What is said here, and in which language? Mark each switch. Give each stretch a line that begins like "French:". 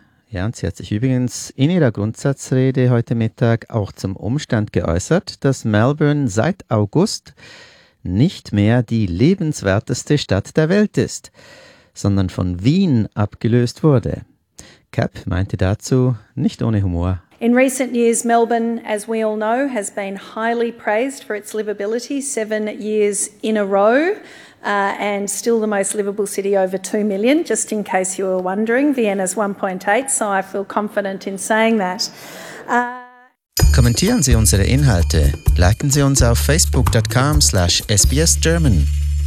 German: Ja, und sie hat sich übrigens in ihrer Grundsatzrede heute Mittag auch zum Umstand geäußert, dass Melbourne seit August nicht mehr die lebenswerteste Stadt der Welt ist, sondern von Wien abgelöst wurde. Capp meinte dazu nicht ohne Humor.
English: In recent years, Melbourne, as we all know, has been highly praised for its livability, 7 years in a row. And still the most livable city, over 2 million, just in case you were wondering. Vienna's 1.8, so I feel confident in saying that.
German: Kommentieren Sie unsere Inhalte. Liken Sie uns auf facebook.com/sbsgerman.